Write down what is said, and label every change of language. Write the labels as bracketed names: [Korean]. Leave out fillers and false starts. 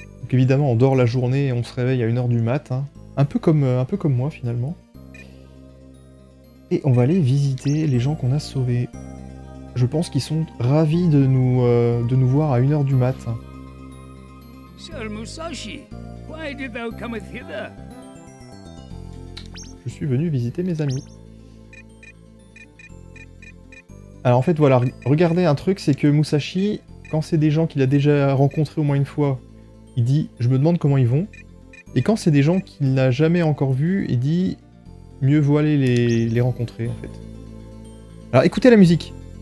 [French] évidemment, on dort la journée et on se réveille à 1h du mat. Hein. Un peu comme moi, finalement. Et on va aller visiter les gens qu'on a sauvés. Je pense qu'ils sont ravis de nous voir à 1h du mat. [English] Sir Musashi, why did thou come hither? [French] Je suis venu visiter mes amis. Alors en fait, voilà, regardez un truc, c'est que Musashi, quand c'est des gens qu'il a déjà rencontrés au moins une fois, il dit « je me demande comment ils vont ». Et quand c'est des gens qu'il n'a jamais encore vus, il dit « mieux vaut aller les rencontrer, en fait ». Alors écoutez la musique.